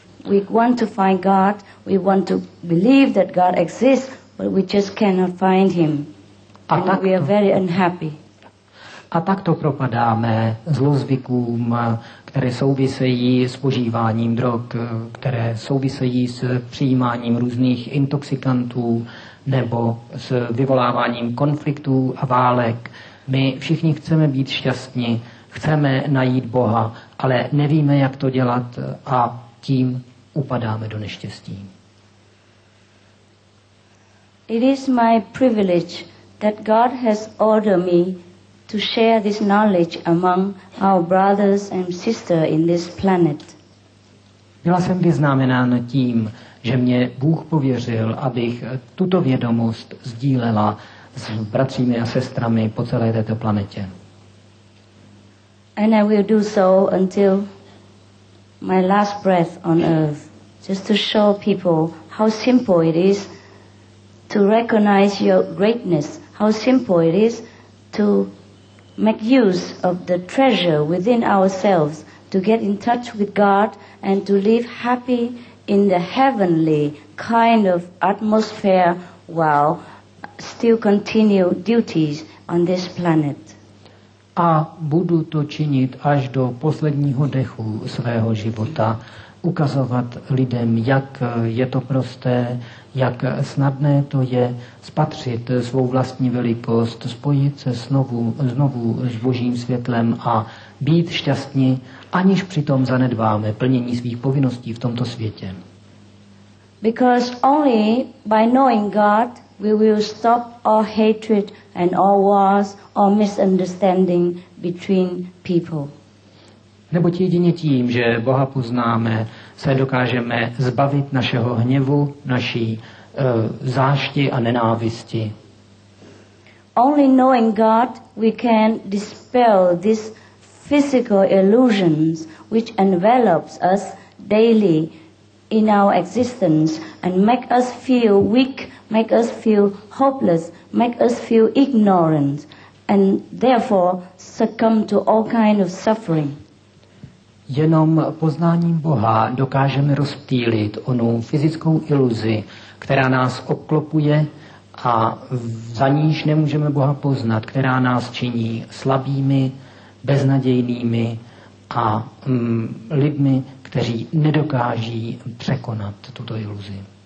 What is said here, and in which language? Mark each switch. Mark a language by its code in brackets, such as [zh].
[en] We want to find God, we want to believe that God exists, but we just cannot find him. And we are very unhappy. [cs] A takto propadáme zlozvykům, které souvisejí s požíváním drog, které souvisejí s přijímáním různých intoxikantů nebo s vyvoláváním konfliktů a válek. My všichni chceme být šťastní, chceme najít Boha, ale nevíme, jak to dělat a tím upadáme do neštěstí. [en] It is my privilege that God has ordered me to share this knowledge among our brothers and sisters in this planet. [cs] Byla jsem vyznamenána tím, že mě Bůh pověřil, abych tuto vědomost sdílela s bratřími a sestrami po celé této planetě. [en] And I will do so until my last breath on earth, just to show people how simple it is to recognize your greatness, how simple it is to make use of the treasure within ourselves to get in touch with God and to live happy in the heavenly kind of atmosphere while still continue duties on this planet. [cs] A budu to činit až do posledního dechu svého života, ukazovat lidem, jak je to prosté, jak snadné to je spatřit svou vlastní velikost, spojit se znovu s Božím světlem a být šťastní, aniž přitom zanedbáme plnění svých povinností v tomto světě. [en] Because only by knowing God we will stop all hatred and all wars or misunderstanding between people. [cs] Neboť jedině tím, že Boha poznáme, se dokážeme zbavit našeho hněvu, naší zášti a nenávisti. [en] Only knowing God we can dispel these physical illusions which envelops us daily in our existence and make us feel weak, make us feel hopeless, make us feel ignorant and therefore succumb to all kind of suffering. [cs] Jenom poznáním Boha dokážeme rozptýlit onu fyzickou iluzi, která nás obklopuje a za níž nemůžeme Boha poznat, která nás činí slabými, beznadějnými a lidmi, kteří nedokáží překonat tuto iluzi.